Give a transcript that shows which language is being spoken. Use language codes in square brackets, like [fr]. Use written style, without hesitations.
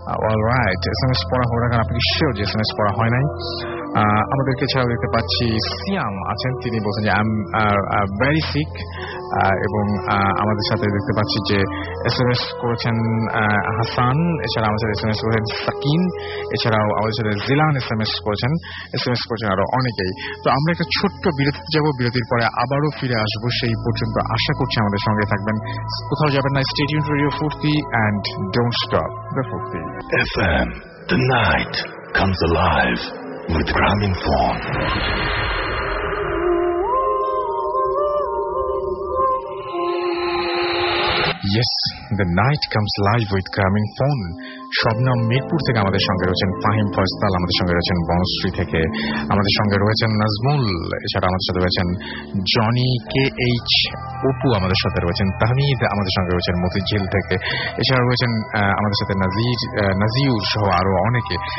[bn] Alright, SMS পড়া হলো না কারণ আপনি শিওর যে SMS পড়া হয় নাই। আমাদেরকে এছাড়াও দেখতে পাচ্ছি সিয়াম আছেন, তিনি বলছেন যে [en] I am very sick, [bn] এবং আমাদের সাথে দেখতে পাচ্ছি যে SMS করেছেন হাসান, এছাড়া আমাদের সাথে SMS করেছেন সাকিন, এছাড়াও আমাদের সাথে জিলান SMS করেছেন আরো অনেকেই। তো আমরা একটা ছোট্ট বিরতিতে যাবো, বিরতির পরে আবারও ফিরে আসবো, সেই পর্যন্ত আশা করছি আমাদের সঙ্গে থাকবেন, কোথাও যাবেন না, [en] Stay tuned radio Foorti and don't stop the Foorti. FM, the night comes alive with Grameenphone. Yes, the night comes alive with Grameenphone. [bn] স্বপ্নম মিরপুর থেকে আমাদের সঙ্গে রয়েছেন, ফাহিম ফয়সাল আমাদের সঙ্গে রয়েছেন বনশ্রী থেকে, আমাদের সঙ্গে রয়েছেন নাজমুল, এছাড়া আমাদের সাথে রয়েছেন জনি কে এইচ, অপু আমাদের সাথে রয়েছেন, তাহমিদ আমাদের সঙ্গে রয়েছেন মতিঝিল থেকে, এছাড়া রয়েছেন আমাদের সাথে নাজির নাজিউর সহ আরো অনেকে।